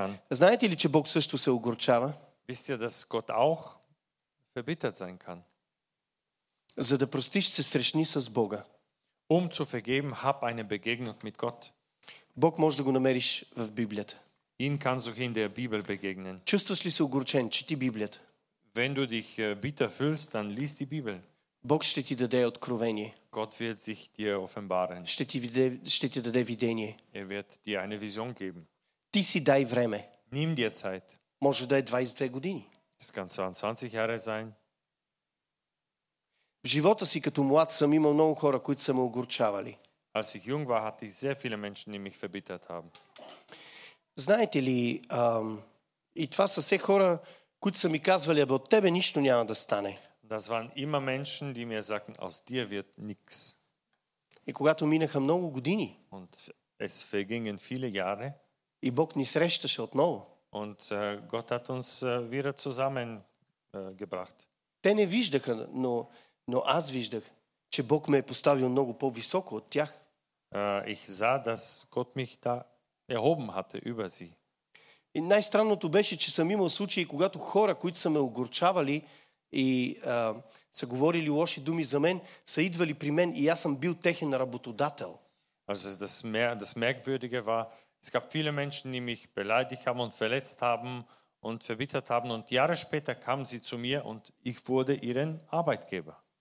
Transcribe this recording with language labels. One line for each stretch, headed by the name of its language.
Bulgarian: Знаете ли, че Бог също се огорчава?
German: Wisst ihr, dass Gott auch verbittert sein kann?
Bulgarian: За да простиш, се срещни с Бога.
German: Zu vergeben, hab eine Begegnung mit Gott.
Bulgarian: Бог може да го намериш в Библията.
German: Ihn kannst du in der Bibel begegnen.
Bulgarian: Чувстваш ли се огорчен, чети Библията?
German: Wenn du dich bitter fühlst, dann lies die Bibel.
Bulgarian: Бог ще ти даде откровение.
German: Gott wird sich dir offenbaren.
Bulgarian: Ще ти даде видение.
German: Er wird dir eine Vision geben.
Bulgarian: Ти си дай време.
German: Nimm dir Zeit.
Bulgarian: Може да е 22 години.
German: Es kann 22 Jahre sein.
Bulgarian: В живота си като млад съм имал много хора, които са ме огорчавали.
German: Als ich jung war, hatte ich sehr viele Menschen, die mich verbittert haben.
Bulgarian: Знаете ли, и това са все хора, които са ми казвали, абе от тебе нищо няма да стане.
German: Das waren immer Menschen, die mir sagten, aus dir wird nichts.
Bulgarian: И когато минаха много години,
German: und es vergingen viele Jahre,
Bulgarian: и Бог ни срещаше отново,
German: und Gott hat uns wieder zusammen gebracht.
Bulgarian: Те не виждаха, но аз виждах, че Бог ме е поставил много по-високо от тях.
German: Ich sah, dass Gott mich da erhoben hatte über sie.
Bulgarian: И най-странното беше, че съм имал случаи, когато хора, които са ме огорчавали и са говорили лоши думи за мен, са идвали при мен и аз съм бил техен работодател.
German: Also das Merkwürdige war, es gab viele Menschen, die mich beleidigt haben und verletzt haben und verbittert haben und Jahre später kamen sie zu mir und ich wurde ihren Arbeitgeber.